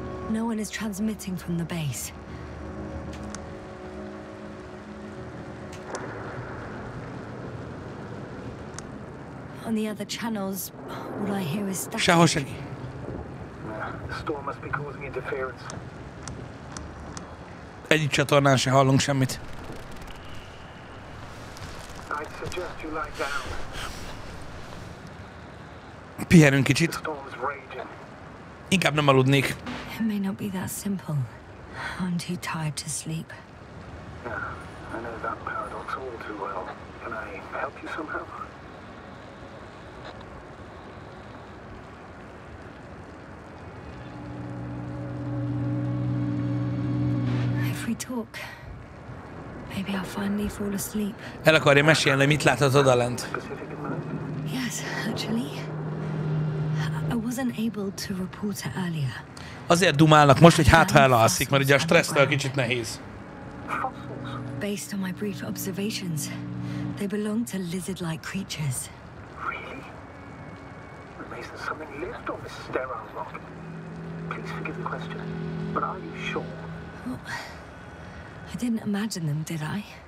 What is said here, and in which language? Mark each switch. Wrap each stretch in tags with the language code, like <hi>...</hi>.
<en>No one is transmitting from the base. On the other channels, all I hear is static.</en> <hu>Sehol senki.</hu> <en>The storm must be causing interference.</en> <hu>Egyik csatornán se hallunk semmit.</hu> <en>I'd suggest you lie down.</en> <hu>Pihenünk kicsit.</hu> <en>The storm's raging.</en> <hu>Inkább nem aludnék.</hu> <en>It may not be that simple. I'm too tired to sleep. Yeah, I know that paradox all too well. Can I help you somehow? Talk. Maybe I'll finally fall asleep.</en> <hu>El akarja mesélni, mit látott odalent.</hu> <en>Yes, actually. I wasn't able to report it earlier.</en> <hu>Azért dumálnak most, hogy hátha elalszik, mert ugye a stressztől kicsit nehéz.</hu> <en>Based on my brief observations, they belong to lizard-like creatures. Really? Amazing something lived on this sterile rock. Please forgive the question, but are you sure? Well, I didn't imagine them, did I?</en>